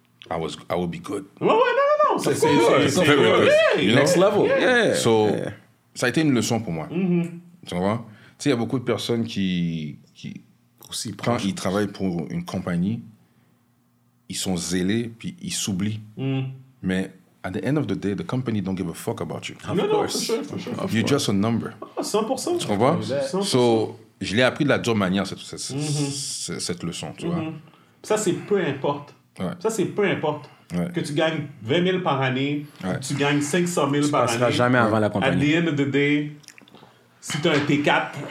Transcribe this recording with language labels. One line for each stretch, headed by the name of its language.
English: I would be good.
French: C'est
English: next level.
French: So, ça a été une leçon pour moi. Tu vois? Tu sais, il y a beaucoup de personnes qui aussi prennent, ils travaillent pour une compagnie, ils sont zélés, puis ils s'oublient.
English: Mais at the end of the day, the company don't give a fuck about you. Of course. You're just a number. 100%.
French: Tu comprends? So, je l'ai appris de la dure manière, cette leçon, tu vois. Ça, c'est peu importe. Ça, c'est peu importe. Que tu gagnes 20 000 par année, que tu gagnes 500 000 par année. Tu passeras jamais avant la compagnie.
English: At the end of the day,
French: si t'as un T4,